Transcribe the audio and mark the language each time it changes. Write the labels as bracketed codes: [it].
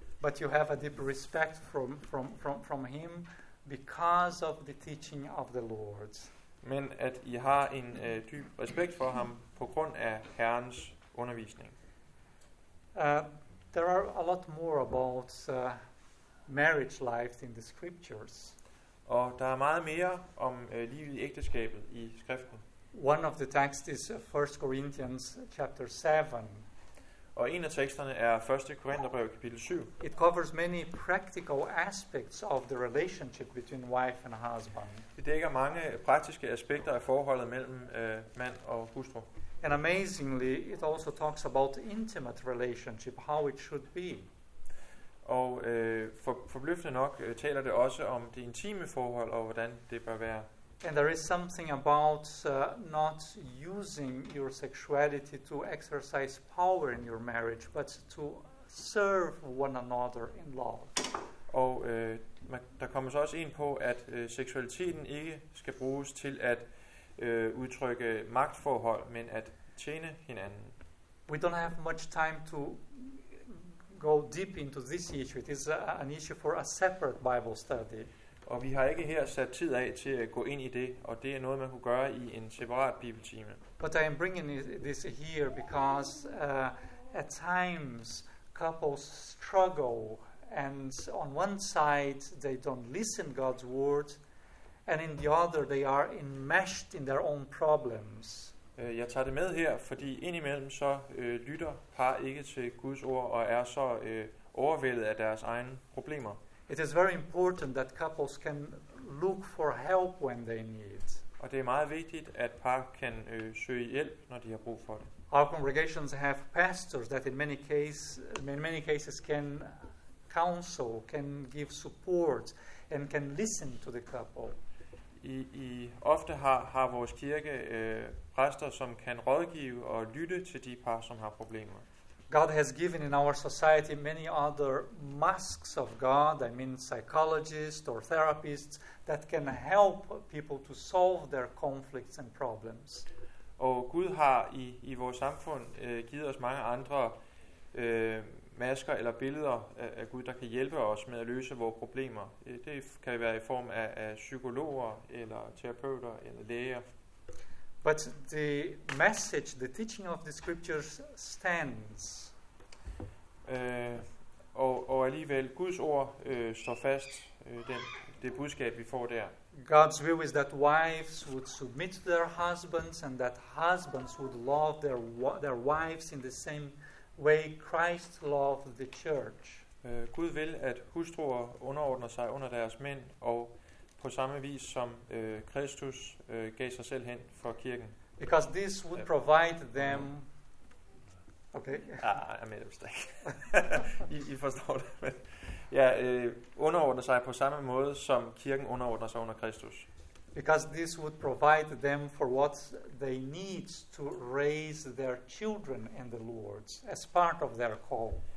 [en] But you have a deep respect from him because of the teaching of the Lord. [da] Men at I har en dyb respekt for ham på grund af Herrens undervisning. [en] There are a lot more about marriage life in the scriptures. [da] Og der er meget mere om livet i ægteskabet i skriften. [en] One of the texts is 1 Corinthians chapter 7. [da] Og en af teksterne er 1. Korintherbrev kapitel 7. [en] It covers many practical aspects of the relationship between wife and husband. [da] Det dækker mange praktiske aspekter af forholdet mellem mand og hustru. [en] And amazingly, it also talks about intimate relationship, how it should be. [da] Og forbløffende nok taler det også om det intime forhold og hvordan det bør være. [en] And there is something about not using your sexuality to exercise power in your marriage, but to serve one another in love. [da] Og der kommer så også ind på, at seksualiteten ikke skal bruges til at udtrykke magtforhold, men at tjene hinanden. [en] We don't have much time to go deep into this issue. It is an issue for a separate Bible study. [da] Og vi har ikke her sat tid af til at gå ind i det, og det er noget man kunne gøre i en separat bibeltime. [en] But I am bringing this here because at times couples struggle, and on one side they don't listen God's word, and in the other they are enmeshed in their own problems. [da] Jeg tager det med her, fordi indimellem så lytter par ikke til Guds ord og er så overvældet af deres egne problemer. [en] It is very important that couples can look for help when they need. [da] Og det er meget vigtigt, at par kan søge hjælp, når de har brug for det. [en] Our congregations have pastors that in many cases can counsel, can give support and can listen to the couple. [da] I ofte har vores kirke præster, som kan rådgive og lytte til de par, som har problemer. [en] God has given in our society many other masks of God, I mean psychologists or therapists, that can help people to solve their conflicts and problems. [da] Og Gud har i vores samfund givet os mange andre masker eller billeder af Gud, der kan hjælpe os med at løse vores problemer. Det kan være i form af psykologer eller terapeuter eller læger. [en] But the message, the teaching of the scriptures stands. [da] Og alligevel, Guds ord står fast, det budskab vi får der. [en] God's will is that wives would submit to their husbands and that husbands would love their wives in the same way Christ loved the church. [da] Gud vil at hustruer underordner sig under deres mænd og på samme vis som Kristus gav sig selv hen for kirken. [en] Because this would provide them. Okay. Ah, I made a mistake. [da] I forstår det. Ja, underordner sig på samme måde som kirken underordner sig under Kristus. [en] Because this would provide them for what they need to raise their children in the Lord as part of their call.